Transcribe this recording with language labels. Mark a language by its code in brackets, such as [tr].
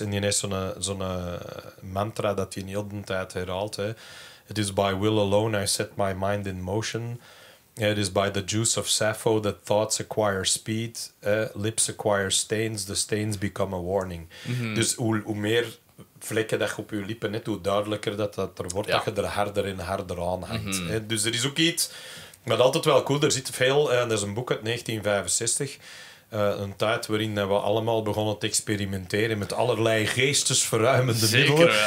[nl] En die heeft zo'n mantra dat hij een hele tijd herhaalt. Hè. [en] It is by will alone I set my mind in motion. It is by the juice of Sappho that thoughts acquire speed, lips acquire stains, the stains become a warning. Mm-hmm. [nl] Dus hoe meer vlekken dat je op je lippen hebt, hoe duidelijker dat er wordt, dat je er harder en harder aan hangt. Mm-hmm. Dus er is ook iets, maar altijd wel cool, er zit veel, er is een boek uit 1965, een tijd waarin we allemaal begonnen te experimenteren met allerlei geestesverruimende middelen.